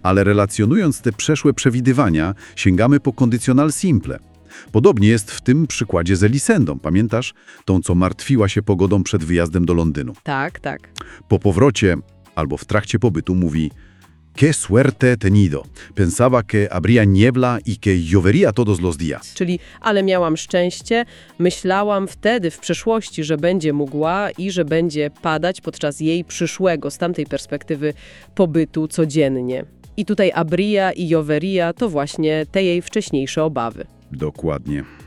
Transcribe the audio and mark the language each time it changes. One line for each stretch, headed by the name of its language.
Polish: Ale relacjonując te przeszłe przewidywania, sięgamy po kondycjonal simple. Podobnie jest w tym przykładzie z Elisendą, pamiętasz? Tą, co martwiła się pogodą przed wyjazdem do Londynu. Tak, tak. Po powrocie, albo w trakcie pobytu, mówi
Spanish: Qué suerte he tenido. Pensaba que habría niebla y que llovería todos los días.
Polish: Czyli, ale miałam szczęście, myślałam wtedy, w przeszłości, że będzie mgła i że będzie padać podczas jej przyszłego, z tamtej perspektywy, pobytu codziennie. I tutaj habría i llovería to właśnie te jej wcześniejsze obawy. Dokładnie.